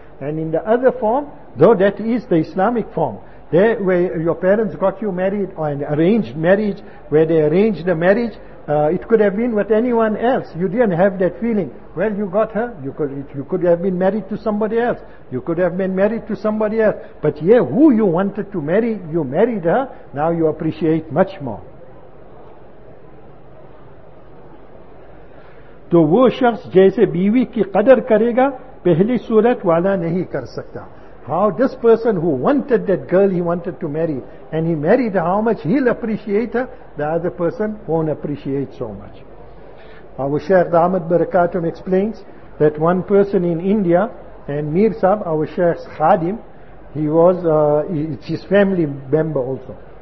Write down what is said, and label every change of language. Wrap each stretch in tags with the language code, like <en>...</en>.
<en>And in the other form, though that is the Islamic form, there where your parents got you married, or an arranged marriage, where they arranged the marriage, it could have been with anyone else. You didn't have that feeling. Well, you got her, you could have been married to somebody else. You could have been married to somebody else. But yeah, who you wanted to marry, you married her, now you appreciate much more.</en> <ur>تو وہ شخص جیسے بیوی کی قدر کرے گا پہلی صورت والا نہیں کر سکتا.</ur> <en>How this person who wanted that girl he wanted to marry and he married her, how much he'll appreciate her, the other person won't appreciate so much. Our Shaykh Damat Barakatum explains that one person in India, and Mir Sahib, our Shaykh's Khadim, he was it's his family member also.</en>